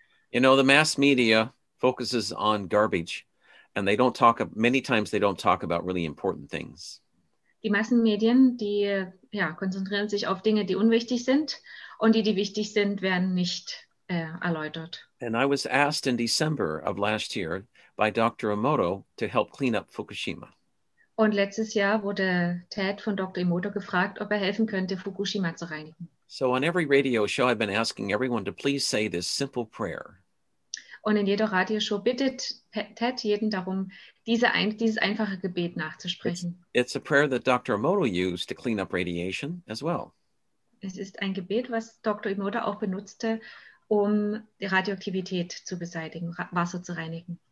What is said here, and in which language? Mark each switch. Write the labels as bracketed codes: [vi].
[en] You know, the mass media focuses on garbage, and they don't talk about really important things. [de] Die Massenmedien, die konzentrieren sich auf Dinge, die unwichtig sind, und die wichtig sind, werden nicht erläutert. [en] And I was asked in December of last year by Dr. Emoto to help clean up Fukushima. [de] Und letztes Jahr wurde Ted von Dr. Emoto gefragt, ob helfen könnte, Fukushima zu reinigen. [en] So on every radio show, I've been asking everyone to please say this simple prayer. [de] Und in jeder Radioshow bittet Ted jeden darum, dieses einfache Gebet nachzusprechen. [en] It's a prayer that Dr. Emoto used to clean up radiation as well. [de] Es ist ein Gebet, was Dr. Emoto auch benutzte, um die Radioaktivität zu beseitigen, Wasser zu reinigen.